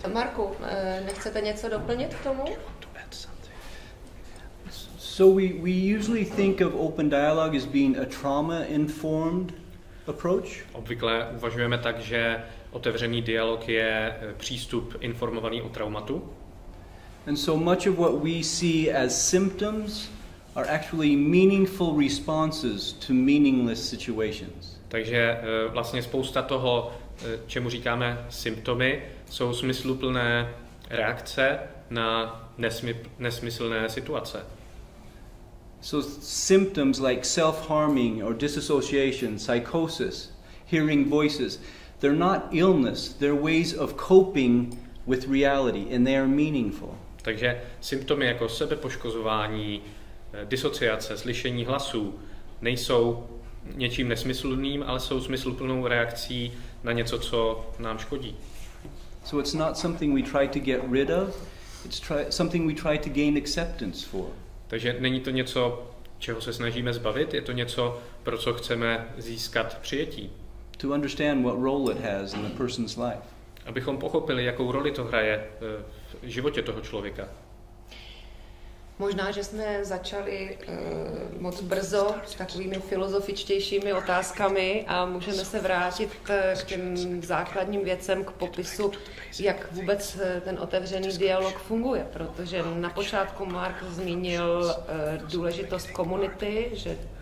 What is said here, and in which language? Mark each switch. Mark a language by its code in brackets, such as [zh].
[cs] Marku, nechcete něco doplnit k tomu? [en] So we usually think of open dialogue as being a trauma-informed approach. [cs] Obvykle uvažujeme tak, že otevřený dialog je přístup informovaný o traumatu. [en] And so much of what we see as symptoms are actually meaningful responses to meaningless situations. [cs] Takže vlastně spousta toho, čemu říkáme symptomy, jsou smysluplné reakce na nesmyslné situace. [en] So symptoms like self-harming or disassociation, psychosis, hearing voices, they're not illness, they're ways of coping with reality and they are meaningful. [cs] Takže symptomy jako sebepoškozování, disociace, slyšení hlasů nejsou něčím nesmyslným, ale jsou smysluplnou reakcí na něco, co nám škodí. [en] So it's not something we try to get rid of, it's something we try to gain acceptance for. [cs] Takže není to něco, čeho se snažíme zbavit, je to něco, pro co chceme získat přijetí. [en] To understand what role it has in the person's life. [cs] Abychom pochopili, jakou roli to hraje v životě toho člověka. Možná, že jsme začali moc brzo s takovými filozofičtějšími otázkami a můžeme se vrátit k těm základním věcem, k popisu, jak vůbec ten otevřený dialog funguje, protože na počátku Mark zmínil důležitost komunity, že